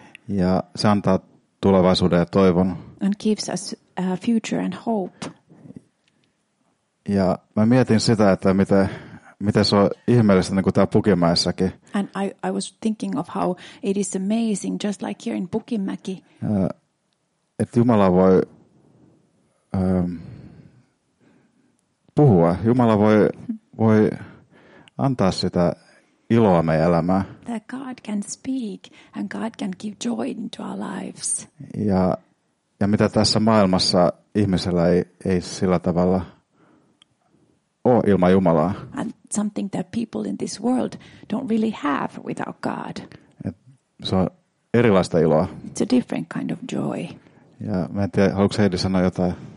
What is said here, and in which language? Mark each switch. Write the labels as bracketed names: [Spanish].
[Finnish] Ja se antaa tulevaisuuden ja toivon [English] and gives us a future and hope. [Finnish] Ja mä mietin sitä, että mitä se on ihmeellistä niinku tää Pukinmäessäkin. [English] And I was thinking of how it is amazing just like here in Pukinmäki. [Finnish] Että Jumala voi puhua. Jumala voi antaa sitä iloa meidän elämään. [English] That God can speak and God can give joy into our lives. [Finnish] Ja mitä tässä maailmassa ihmisellä ei sillä tavalla oo ilman Jumalaa. [English] And something that people in this world don't really have without God. [Finnish] Se on erilaista iloa. [English] It's a different kind of joy. [Finnish] Ja mä en tiedä, haluatko Heidi sanoa jotain?